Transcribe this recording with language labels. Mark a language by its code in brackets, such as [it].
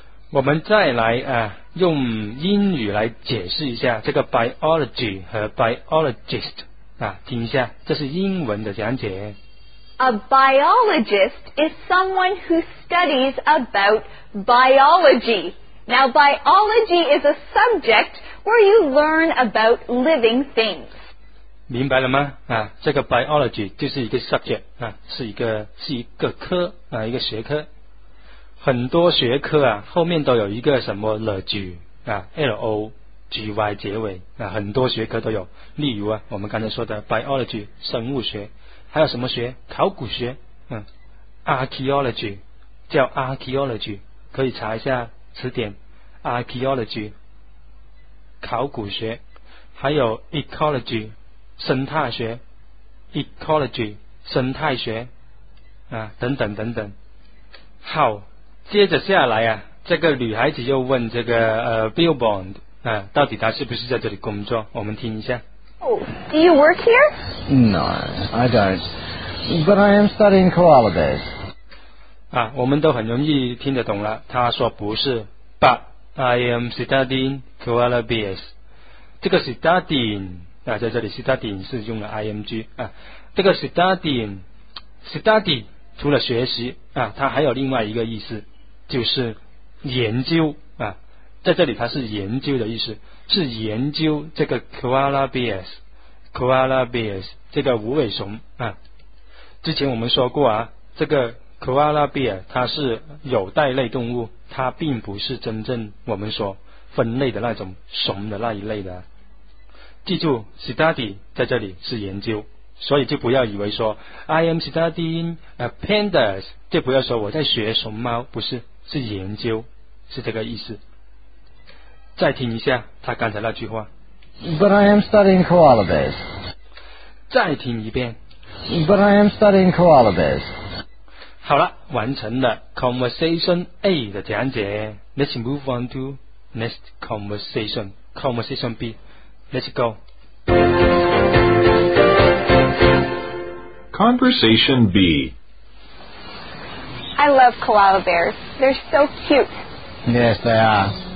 [zh] 我们再来啊用英语来解释一下这个 biology 和 biologist 啊，听一下，这是英文的讲解。 [en] A biologist is someone who studies about biology. Now biology is a subject where you learn about living things. [zh] 明白了吗？啊，这个 biology 就是一个 subject 啊，是一个科啊，一个学科。很多学科啊，后面都有一个什么 logy 啊 ，logy 结尾啊，很多学科都有。例如啊，我们刚才说的 biology 生物学，还有什么学？考古学，archaeology 叫 archaeology， 可以查一下词典 archaeology。考古学，还有 ecology 生态学， ecology 生态学啊，等等等等。好，接着下来啊，这个女孩子又问这个Bill Bond 啊，到底他是不是在这里工作，我们听一下。 [en] Do you work here? No, I don't, but I am studying koala bears. [zh] 啊，我们都很容易听得懂了，他说不是， [en] butI am studying koala bears. [zh] 这个 studying 啊，在这里 studying 是用了 ing 啊。这个 study 除了学习啊，它还有另外一个意思，就是研究啊。在这里它是研究的意思，是研究这个 koala bears， koala bears 这个无尾熊啊。之前我们说过啊，这个 koala bear 它是有袋类动物，它并不是真正我们说分类的那种熊的那一类的。记住 study 在这里是研究，所以就不要以为说 [en] I am studying pandas， [zh] 就不要说我在学熊猫，不是，是研究，是这个意思。再听一下他刚才那句话。 [en] But I am studying koala bears. [zh] 再听一遍。 [en] But I am studying koala bears. [zh] 好了，完成了 conversation A 的讲解。 [en] Let's move on to next conversation. Conversation B. Let's go. Conversation B. I love koala bears. They're so cute. Yes, they are.